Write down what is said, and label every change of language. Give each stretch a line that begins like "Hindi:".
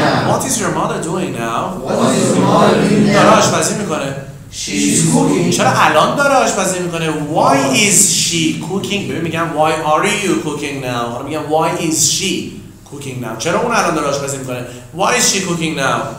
English: What is your mother doing now? What is your mother doing now?
Persian: داره آشپزی میکنه.
English: She's cooking.
Persian: چرا الان داره آشپزی میکنه؟
English: Why is she cooking?
Persian: ببین میگم
English: why are you cooking now?
Persian: حالا میگم
English: why is she cooking now.
Persian: چرا اون الان داره آشپزی میکنه؟
English: Why is she cooking now?